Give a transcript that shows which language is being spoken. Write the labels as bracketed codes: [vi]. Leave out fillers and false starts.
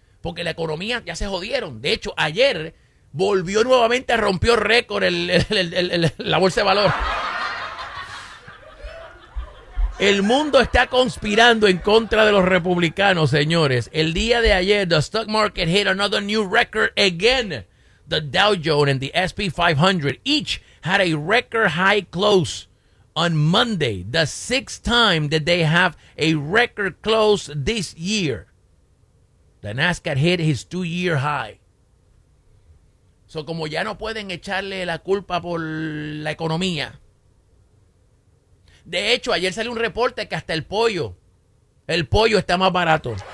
[es] Porque la economía ya se jodieron. De hecho, ayer volvió nuevamente, rompió récord la bolsa de valor. El mundo está conspirando en contra de los republicanos, señores. El día de ayer, [en] the stock market hit another new record again. The Dow Jones and the S&P 500 each had a record high close on Monday, the sixth time that they have a record close this year. The Nasdaq hit his two-year high. [es] So, como ya no pueden echarle la culpa por la economía. De hecho, ayer salió un reporte que hasta el pollo está más barato.